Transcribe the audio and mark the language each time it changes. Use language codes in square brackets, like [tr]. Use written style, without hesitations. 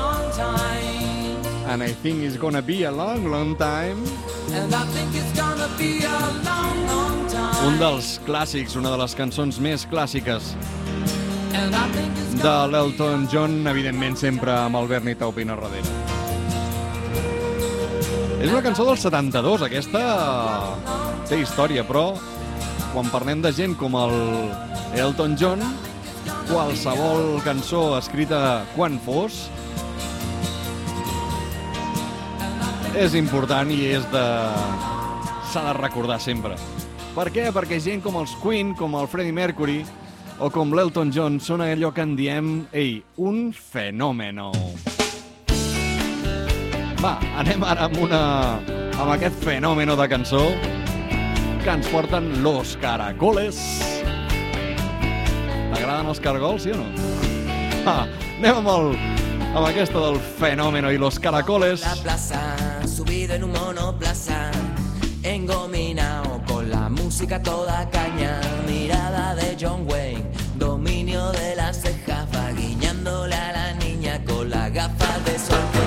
[en] And I think it's gonna be a long, long time. And I think it's gonna be a long, long time. [ca] Un dels clàssics, una de les cançons més clàssiques de l'Elton John, evidentment sempre amb el Bernie Taupin a darrere. És una cançó del 72, aquesta té història, però quan parlem de gent com el Elton John, qualsevol cançó escrita quan fos és important i és de... s'ha de recordar sempre. Per què? Perquè gent com els Queen, com el Freddie Mercury o com l'Elton John són allò que en diem, ei, un fenòmeno. Va, anem ara amb una... amb aquest fenòmeno de cançó que ens porten Los Caracoles. T'agraden els cargols, sí o no? Va, anem amb el... amb aquesta del fenòmeno i Los Caracoles. [es] La plaça, subido en un monoplaza, engominao con la música toda caña, mirada de John Wayne, dominio de la ceja, va guiñándole a la niña con la gafa de sol.